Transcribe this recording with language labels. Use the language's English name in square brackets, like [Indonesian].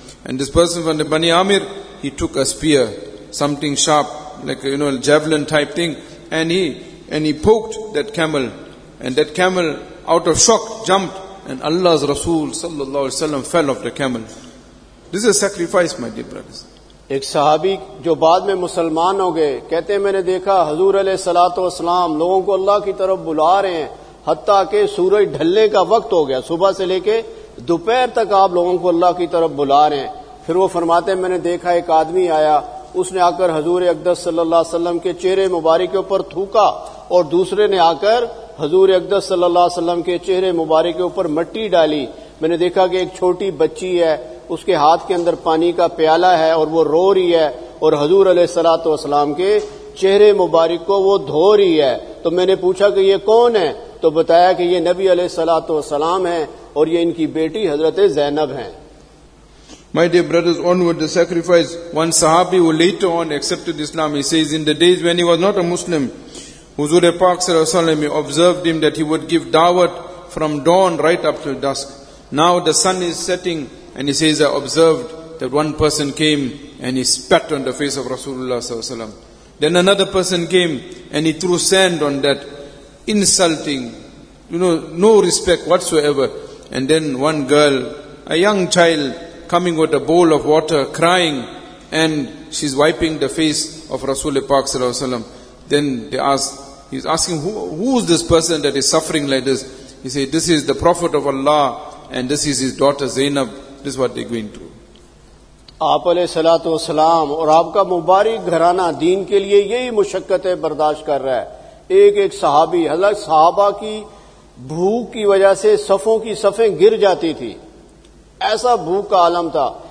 [English] And this person from the Bani Amir, he took a spear, something sharp, like you know, javelin type thing, and he poked that camel, and that camel out of shock jumped, and Allah's Rasul sallallahu alaihi wasallam fell off the camel. This is a sacrifice, my dear brothers. [Urdu] ایک صحابی جو بعد میں مسلمان ہو گئے کہتے ہیں میں نے دیکھا حضور علیہ الصلوۃ والسلام لوگوں کو اللہ کی طرف بلا رہے ہیں, حتیٰ کہ سورج ڈھلنے کا وقت ہو گیا, صبح سے لے کے دوپہر تک آپ لوگوں کو اللہ کی طرف بلا رہے ہیں. پھر وہ فرماتے ہیں میں نے دیکھا ایک آدمی آیا, اس نے آ کر حضور اقدس صلی اللہ علیہ وسلم کے چہرے مبارک کے اوپر تھوکا اور دوسرے نے آ کر حضور اقدس صلی اللہ علیہ وسلم کے چہرے مبارک کے اوپر مٹی ڈالی. میں نے دیکھا کہ ایک چھوٹی بچی ہے, اس کے ہاتھ کے اندر پانی کا پیالہ ہے اور وہ رو رہی ہے اور حضور علیہ الصلوۃ والسلام کے چہرے مبارک کو وہ دھو رہی ہے. تو میں نے پوچھا کہ یہ کون ہے, تو بتایا کہ یہ نبی علیہ الصلوۃ والسلام ہیں اور یہ ان کی بیٹی حضرت زینب ہیں. [English] My dear brothers, onward the sacrifice. One Sahabi who later on accepted Islam, he says, in the days when he was not a Muslim, Huzur Pak Sallallahu Alaihi Wasallam, he observed him that he would give da'wat from dawn right up to dusk. Now the sun is setting and he says, I observed that one person came and he spat on the face of Rasulullah Sallallahu Alaihi Wasallam. Then another person came and he threw sand on that, insulting, you know, no respect whatsoever. And then one girl, a young child, coming with a bowl of water, crying, and she's wiping the face of Rasul Pak Sallallahu Alaihi Wasallam. Then they asked, He's asking, who is this person that is suffering like this? He said, this is the Prophet of Allah and this is his daughter Zainab. This is what they're going through. [Urdu] آپ علیہ الصلوۃ والسلام اور آپ کا مبارک گھرانہ دین کے لیے یہی مشقتیں برداشت کر رہا ہے. ایک ایک صحابی, حضرت صحابہ کی بھوک کی وجہ سے صفوں کی صفیں گر جاتی تھی, ایسا بھوک کا عالم تھا.